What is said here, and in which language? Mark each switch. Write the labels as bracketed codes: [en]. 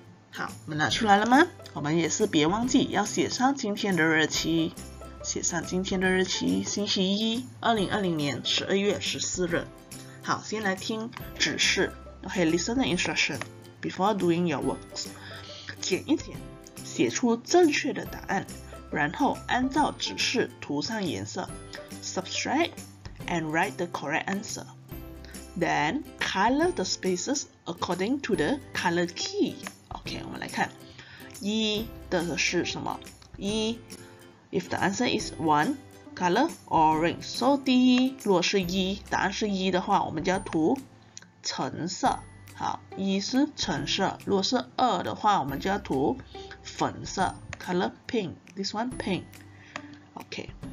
[zh] 好，我们拿出来了吗？我们也是别忘记要写上今天的日期，写上今天的日期，星期一，2020年12月14日。好，先来听指示 ， [en] OK, listen the instruction before doing your works， [zh] 剪一剪。写出正确的答案，然后按照指示涂上颜色。 [en] Subtract and write the correct answer. Then color the spaces according to the color key. [zh] OK, 我们来看一的是什么？ [en] 一 ，if the answer is one, color orange. [zh] So 第一，如果是一，答案是一的话，我们就要涂橙色。好，一是橙色，如果是二的话，我们就要涂粉色 ， [en] color pink. This one pink. Okay.